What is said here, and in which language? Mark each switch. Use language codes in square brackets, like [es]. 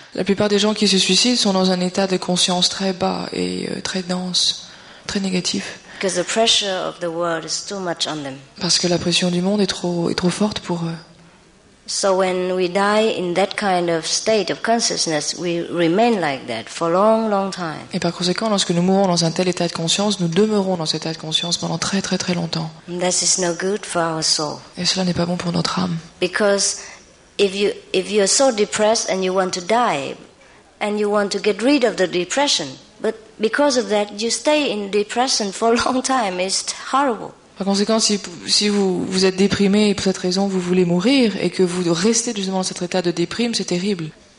[fr] La plupart des gens qui se suicident sont dans un état de conscience très bas et très dense, très négatif. [en] Because the pressure of the world is too much on them. [fr] Parce que la pression du monde est trop forte pour eux. [en] So when we die in that kind of state of consciousness, we remain like that for a long, long time. [fr] Et par conséquent, lorsque nous mourons dans un tel état de conscience, nous demeurons dans cet état de conscience pendant très, très, très longtemps. [en] This is no good for our soul. [fr] Et cela n'est pas bon pour notre âme. [en] Because if you are so depressed and you want to die, and you want to get rid of the depression, but because of that, you stay in depression for a long time. It's horrible. [fr] Par conséquent, si vous êtes déprimé et pour cette raison vous voulez mourir et que vous restez justement dans cet état de déprime, c'est terrible.